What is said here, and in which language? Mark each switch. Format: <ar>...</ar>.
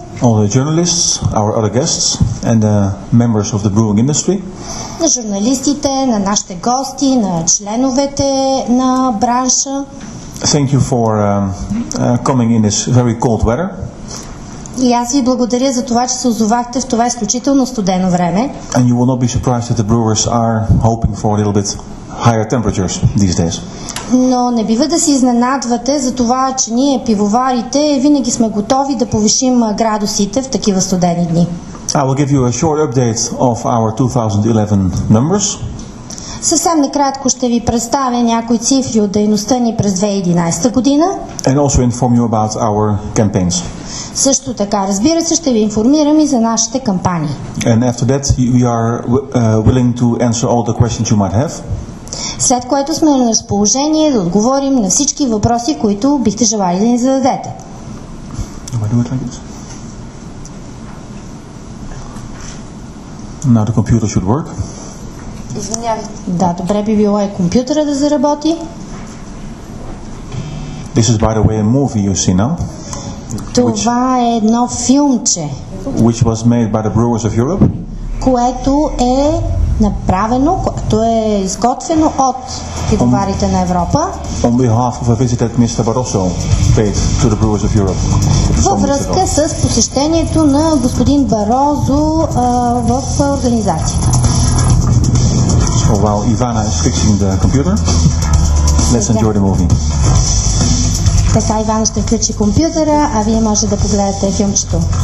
<en>All the journalists, our other guests and the members of the brewing industry.</en> <bg>На журналистите, на нашите гости, на членовете на бранша.</bg> <en>Thank you for coming in this very cold weather.</en> <bg>И аз ви благодаря за това, че се озовахте в това изключително студено време.</bg> <en>And you will not be surprised that the brewers are hoping for a little bit higher temperatures these days.</en> <bg>Но не бива да се изненадвате за това, че ние пивоварите винаги сме готови да повишим градусите в такива студени дни.</bg> <en>I will give you a short update of our 2011 numbers.</en> <bg>Съвсем накратко ще ви представя някои цифри от дейността ни през 2011 година.</bg> <en>And also inform you about our campaigns.</en> <bg>Също така, разбира се, ще ви информирам и за нашите кампании.</bg> <en>And after that, we are willing to answer all the questions you might have.</en> <bg>След което сме на разположение да отговорим на всички въпроси, които бихте желали да ни зададете.</bg> <en>Now the computer should work.</en> <bg>Извинявайте. Да, добре би било и компютъра да заработи.</bg> <en>This is, by the way, a movie you see now.</en> <bg>Това е едно филмче,</bg> <en>which was made by the Brewers of Europe,</en> <bg>което е направено, което е изготвено от пивоварите на Европа.</bg> <en>On behalf of a visit that Mr. Barroso paid to the Brewers of Europe.</en> <bg>Във връзка с посещението на господин Барозо в организацията.</bg> <en>So while Ivana is fixing the computer, let's enjoy the movie.</en> <bg>Така Ивана ще включи компютъра, а вие може да погледате филмчето.</bg>